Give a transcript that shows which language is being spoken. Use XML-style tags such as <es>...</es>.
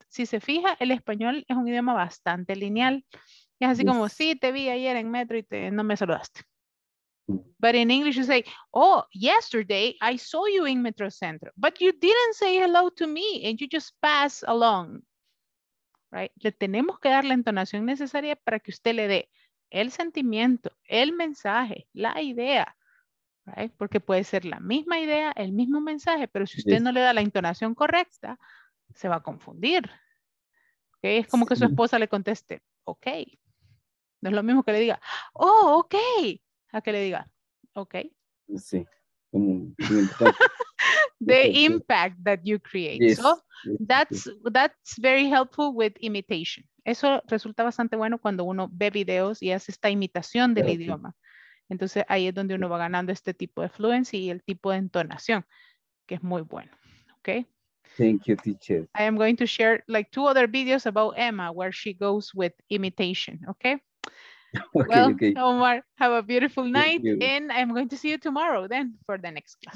<es>Si se fija, el español es un idioma bastante lineal. Es así como, sí, te vi ayer en metro y no me saludaste.</es> <en>But in English you say, oh, yesterday I saw you in Metro Centro. But you didn't say hello to me and you just pass along. Right?</en> <es>Le tenemos que dar la entonación necesaria para que usted le dé el sentimiento, el mensaje, la idea,</es> <en>right?</en> <es>Porque puede ser la misma idea, el mismo mensaje, pero si usted no le da la entonación correcta, se va a confundir. ¿Okay? Es como que su esposa le conteste, ok. No es lo mismo que le diga, oh, ok, a que le diga, ok. Sí.</es> <en>The impact that you create. Yes. So that's very helpful with imitation.</en> <es>Eso resulta bastante bueno cuando uno ve videos y hace esta imitación del idioma. Entonces ahí es donde uno va ganando este tipo de fluency y el tipo de entonación, que es muy bueno.</es> <en>Okay. Thank you, teacher. I am going to share like two other videos about Emma where she goes with imitation. Okay. Omar, have a beautiful night. And I'm going to see you tomorrow then for the next class.</en>